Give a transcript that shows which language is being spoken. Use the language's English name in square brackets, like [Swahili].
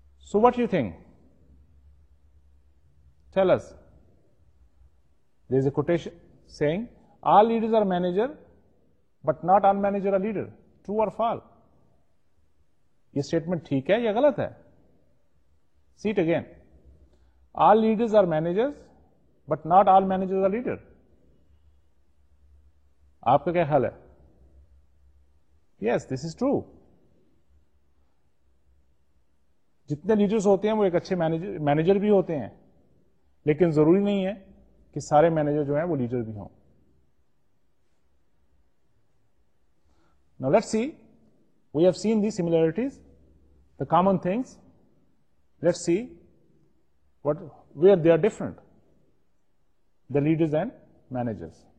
[English] So what you think, tell us. There is a quotation saying, all leaders are manager, but not all manager are leader. True or false? [Urdu] یہ statement ٹھیک ہے یا غلط ہے؟ [English] See it again. All leaders are managers, but not all managers are leader. [Urdu] آپ کا کیا خیال ہے؟ [English] Yes, this is true. [Urdu] جتنے leaders ہوتے ہیں وہ ایک اچھے manager بھی ہوتے ہیں, لیکن ضروری نہیں ہے کہ سارے مینیجر جو ہیں وہ لیڈر بھی ہوں. [English] Now let's see, we have seen these similarities, the common things. Let's see where they are different, the leaders and managers.